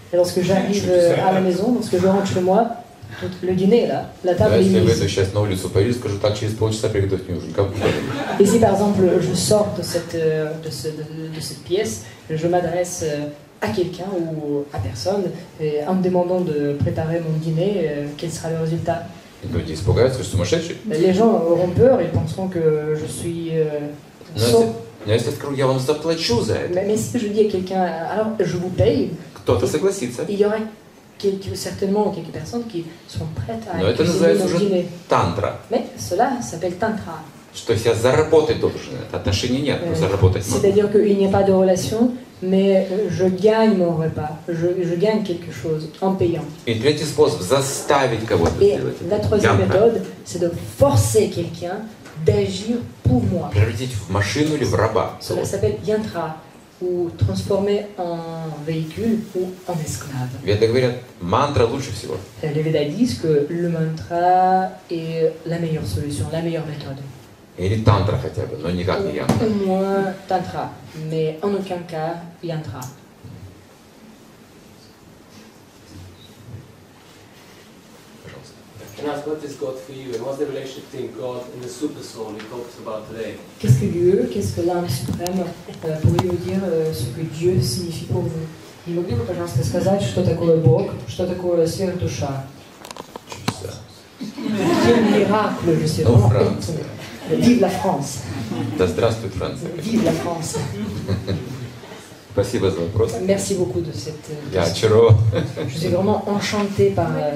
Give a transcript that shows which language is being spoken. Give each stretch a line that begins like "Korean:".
French: Et lorsque j'arrive à la maison, lorsque je rentre chez moi, tout le dîner est là, la table est mise.
Russian: Если сейчас на улицу поеду, скажу так, через полчаса приготовьте ужин.
French: Et si par exemple je sors de cette pièce, je m'adresse à quelqu'un ou à personne et en me demandant de préparer mon dîner, quel sera le résultat?
Russian: Люди испугаются, что сумасшедший.
French: Les gens auront peur, ils penseront que je suis sot.
Russian: Но если я скажу, я вам заплачу за это.
French: Mais si je dis à quelqu'un, alors je vous paye.
Russian: Кто-то согласится.
French: Il y aura certainement quelques personnes qui sont prêtes à.
Russian: Но это называется уже тантра.
French: Mais cela s'appelle tantra.
Russian: Что я заработать должен? Отношений нет, но заработать могу.
French: C'est-à-dire qu'il n'y a pas de relation, mais je gagne mon repas. Je gagne quelque chose en payant.
Russian: И третий способ заставить кого-то сделать.
French: Et la troisième méthode, c'est de forcer quelqu'un d'agir pour moi.
Russian: Превратить в машину или в раба.
French: Cela s'appelle yantra, ou transformer en véhicule ou en esclave.
Russian: Веды говорят, мантра лучше всего.
French: Les Védas disent que le mantra est la meilleure solution, la meilleure méthode.
Russian: Или тантра хотя бы, но никак не yantra.
French: Au moins tantra, mais en aucun cas yantra.
English: And ask, what is God for you, and what's the relationship between God and the Super Soul we talked about today?
French: Qu'est-ce que Dieu, qu'est-ce que l'âme suprême pourrait vous dire ce que Dieu signifie pour vous?
Russian: Не могли бы, пожалуйста, сказать, что такое Бог, что такое сверхдуша?
French: Quel miracle, je sais pas. France. Vive la France.
Russian: Да здравствует Франция.
French: Vive la France.
Russian: Спасибо за вопрос.
French: Merci beaucoup de cette.
Russian: Я очарован.
French: Je suis vraiment enchanté par.